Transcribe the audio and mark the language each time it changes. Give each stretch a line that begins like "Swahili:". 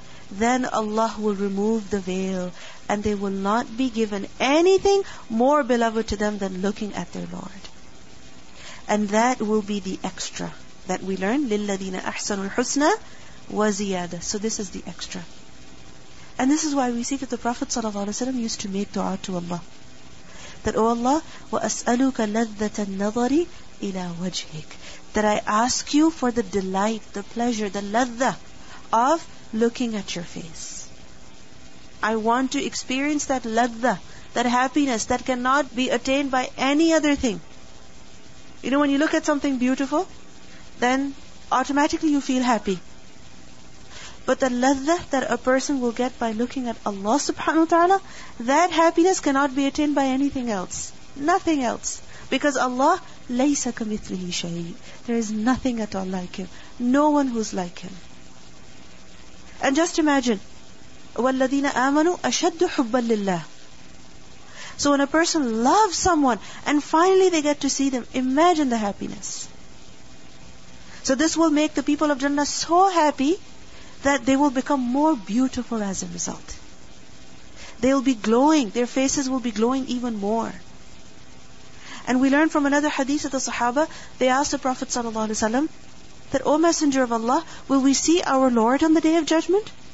English: Then Allah will remove the veil and they will not be given anything more beloved to them than looking at their Lord. And that will be the extra that we learn.
Arabic: لِلَّذِينَ أَحْسَنُوا الْحُسْنَى وَزِيَادَ.
English: So this is the extra. And this is why we see that the Prophet ﷺ used to make dua to Allah. That, O Allah,
Arabic: وَأَسْأَلُكَ لَذَّةَ النَّظَرِ إِلَىٰ وَجْهِكَ.
English: That I ask you for the delight, the pleasure, the ladha of looking at your face. I want to experience that ladha, that happiness that cannot be attained by any other thing. You know, when you look at something beautiful, then automatically you feel happy. But the ladha that a person will get by looking at Allah subhanahu wa ta'ala, that happiness cannot be attained by anything else. Nothing else.
Arabic: Because Allah, لَيْسَ كَمِثْلِهِ شَيْءٍ.
English: There is nothing at all like Him. No one who's like Him. And just imagine,
Arabic: وَالَّذِينَ آمَنُوا أَشَدُّ حُبًّا لِلَّهِ.
English: So when a person loves someone and finally they get to see them, imagine the happiness. So this will make the people of Jannah so happy that they will become more beautiful as a result. They will be glowing, their faces will be glowing even more. And we learn from another hadith of the Sahaba, they asked the Prophet ﷺ that, O Messenger of Allah, will we see our Lord on the Day of Judgment?